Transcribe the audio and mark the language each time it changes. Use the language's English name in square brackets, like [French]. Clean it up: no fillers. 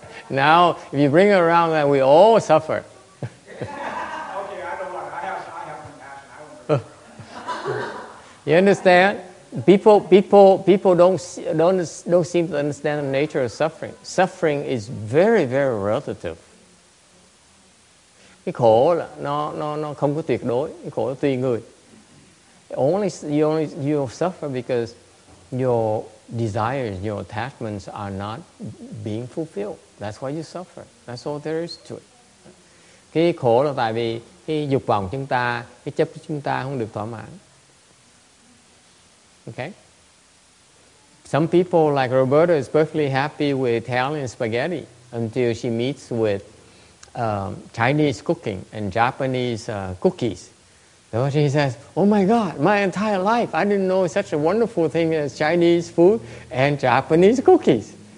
[English] Now, if you bring it around, then we all suffer. Okay, I don't want it. I have compassion. I won't bring it. You understand? People don't seem to understand the nature of suffering. Suffering is very, very relative. [Vietnamese] Cái khổ là nó không có tuyệt đối. Cái khổ là tùy người. [English] You suffer because your desires, your attachments are not being fulfilled. That's why you suffer. That's all there is to it. [Vietnamese] Cái khổ là tại vì cái dục vọng chúng ta, cái chấp chúng ta không được thỏa mãn. [English] Okay? Some people like Roberta is perfectly happy with Italian spaghetti until she meets with Chinese cooking and Japanese cookies. So she says, oh my God, my entire life, I didn't know such a wonderful thing as Chinese food and Japanese cookies.